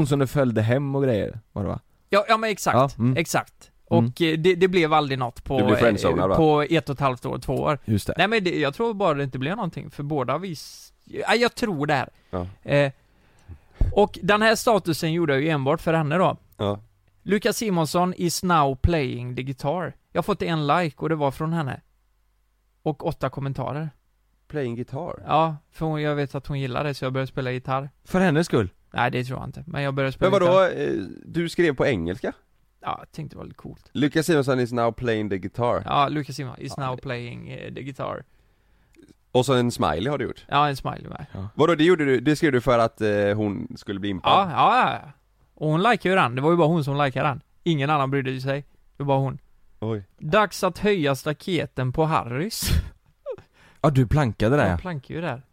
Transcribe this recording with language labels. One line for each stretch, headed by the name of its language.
Swedish: Hon som du följde hem och grejer, var det va? Ja, men exakt. Ja, exakt. Och det blev aldrig något på 1,5 år, 2 år. Just det. Nej, men jag tror bara det inte blev någonting. För båda vis... jag tror det här. Ja. Och den här statusen gjorde jag ju enbart för henne då. Ja.
English: Lukas Simonsson is now playing the guitar.
Swedish: Jag har fått en like och det var från henne. Och 8 kommentarer.
English: Playing guitar?
Swedish: Ja, för jag vet att hon gillar det så jag började spela gitarr. För hennes skull? Nej, det tror jag inte. Men jag började spela. Men vadå? Du skrev på engelska? Ja, jag tänkte det var lite coolt.
English: Lukas Simonsson is now playing the guitar. Ja, Lukas Simonsson is now playing the guitar.
Swedish: Och så en smiley har du gjort. Ja, en smiley med. Ja. Vadå, det gjorde du? Det skrev du för att hon skulle bli impad? Ja, ja. Och hon likade ju den. Det var ju bara hon som likade den. Ingen annan brydde sig. Det var bara hon. Oj. Dags att höja staketen på Harris. Ja, du plankade där. Jag plankade ju där.